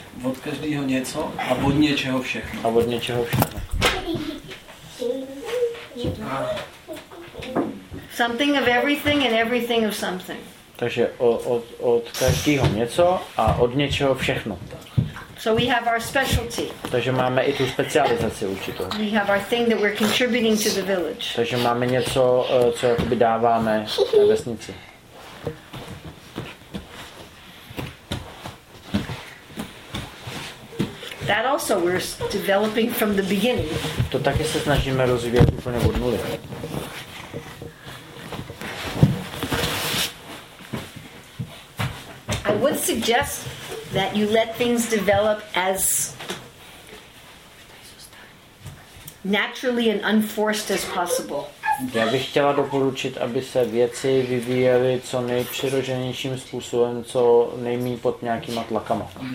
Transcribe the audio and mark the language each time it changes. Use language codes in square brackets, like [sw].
[cs] Od každého něco a od něčeho všechno. A od něčeho všechno. [en] Something of everything and everything of something. [cs] Takže od každého něco a od něčeho všechno. [en] So we have our specialty. [cs] Takže máme i tu specializaci určitou. [en] We have our thing that we're contributing to the village. [cs] Takže máme něco, co jakoby dáváme na vesnici. [en] That also we're developing from the beginning. [cs] To taky se snažíme rozvíjet úplně od nuly. [en] I would suggest that you let things develop as naturally and unforced as possible. [cs] Já bych chtěla doporučit, aby se věci vyvíjely co nejpřirozenějším způsobem, co nejméně pod nějakýma tlakama.